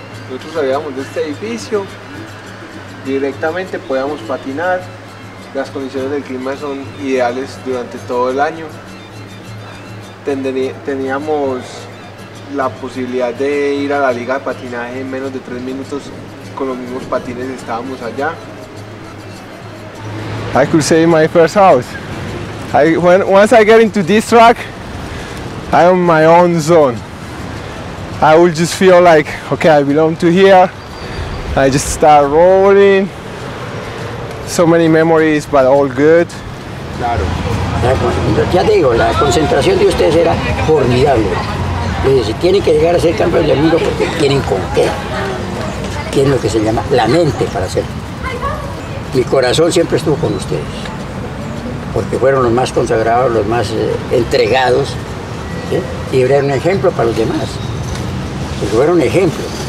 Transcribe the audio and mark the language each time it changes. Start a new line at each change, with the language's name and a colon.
Spanish: Nosotros salíamos de este edificio, directamente podíamos patinar, las condiciones del clima son ideales durante todo el año. Teníamos la posibilidad de ir a la liga de patinaje en menos de 3 minutos con los mismos patines, estábamos allá.
English: I could save my first house. Once I get into this track, I'm on my own zone. I will just feel like, okay, I belong to here. I just start rolling. So many memories, but all good.
Spanish: Claro. Ya te digo, la concentración de ustedes era formidable. Dice, si tienen que llegar a ser campeones del mundo, porque tienen con qué. Tienen lo que se llama la mente para hacerlo. Mi corazón siempre estuvo con ustedes. Porque fueron los más consagrados, los más entregados. ¿Sí? Y era un ejemplo para los demás. Porque fueron ejemplo.